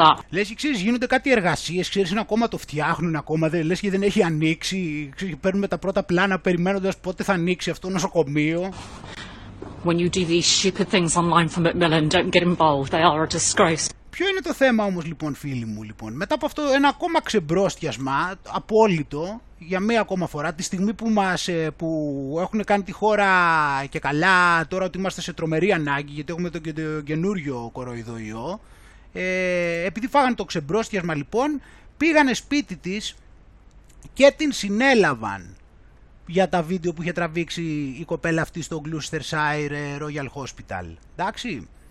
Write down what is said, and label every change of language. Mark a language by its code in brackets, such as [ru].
[el] Λες και ξέρεις, γίνονται κάτι εργασίες, ξέρεις, είναι ακόμα το φτιάχνουν, ακόμα δεν λες και δεν έχει ανοίξει, ξέρεις, παίρνουμε τα πρώτα πλάνα περιμένοντας πότε θα ανοίξει αυτό το νοσοκομείο. [en] When you do these stupid things online for Macmillan, don't get involved, they are a disgrace. [el] Ποιο είναι το θέμα όμως, λοιπόν, φίλοι μου, λοιπόν, μετά από αυτό ένα ακόμα ξεμπρόστιασμα, απόλυτο, για μία ακόμα φορά, τη στιγμή που έχουν κάνει τη χώρα και καλά, τώρα ότι είμαστε σε τρομερή ανάγκη, γιατί έχουμε το καινούριο κοροϊδοϊό, επειδή φάγανε το ξεμπρόστιασμα, λοιπόν, πήγανε σπίτι της και την συνέλαβαν για τα βίντεο που είχε τραβήξει η κοπέλα αυτή στο Gloucestershire Royal Hospital, εντάξει.